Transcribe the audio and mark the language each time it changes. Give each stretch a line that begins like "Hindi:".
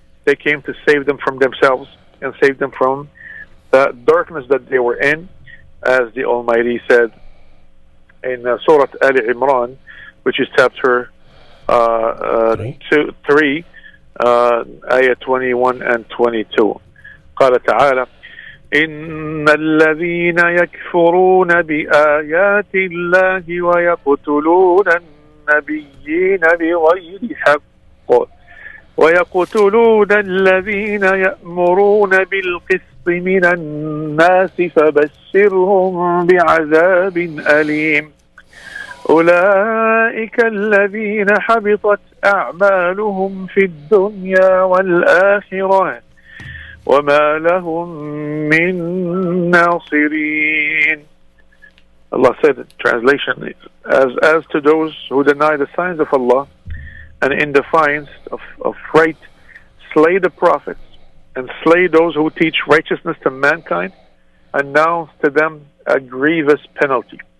English: They came to save them from themselves and save them from the darkness that they were in. As the Almighty said in Surah Ali Imran, which is chapter 3, ayah 21 and 22.
Arabic: قال تعالى إن الذين يكفرون بآيات الله ويقتلون النبيين بغير حق ويقتلون الذين يأمرون بالقسط من الناس فبشرهم بعذاب أليم أولئك الذين حبطت أعمالهم في الدنيا والآخرة وما لهم من ناصرين.
English: Allah said, translation, as to those who deny the signs of Allah and in defiance of right, slay the prophets and slay those who teach righteousness to mankind, announce to them a grievous penalty.